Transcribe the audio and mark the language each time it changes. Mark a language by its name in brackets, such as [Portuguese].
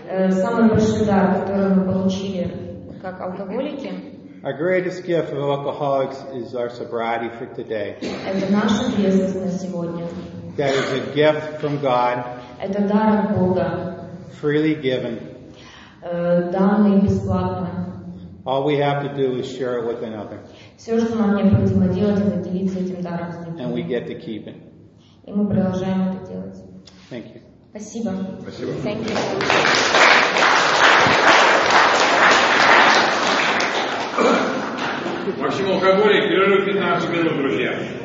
[Russian] Самый большой дар, который мы получили, как алкоголики. [English] Our greatest gift of alcoholics is our sobriety for today. [Russian] Это наша ответственность на сегодня. [English] That is a gift from God. [Russian] Это дар от Бога. [English] Freely given. [Russian] Данный бесплатно. [English] All we have to do is share it with another. [Russian] Все, что нам необходимо делать, это делиться этим даром с другими. [English] And we get to keep it. [Russian] И мы продолжаем это делать. [English] Thank you. [Russian] Спасибо. Спасибо. [English] Thank you. [Russian] В общем, алкоголик перерыв 15 минут, друзья.